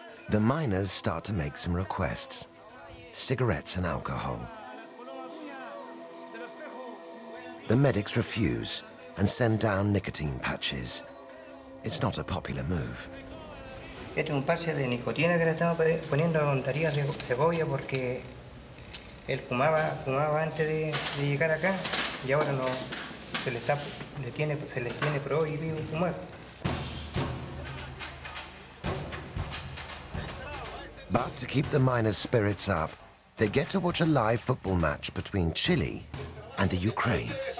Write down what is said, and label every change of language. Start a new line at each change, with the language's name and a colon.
English: The miners start to make some requests, cigarettes and alcohol. The medics refuse and send down nicotine patches. It's not a popular move.
Spanish: Este es un parche de nicotina que le estaba poniendo a las tarías de cebolla porque él fumaba antes de llegar acá y ahora no se le tiene prohibido fumar.
English: But to keep the miners' spirits up, they get to watch a live football match between Chile and the Ukraine.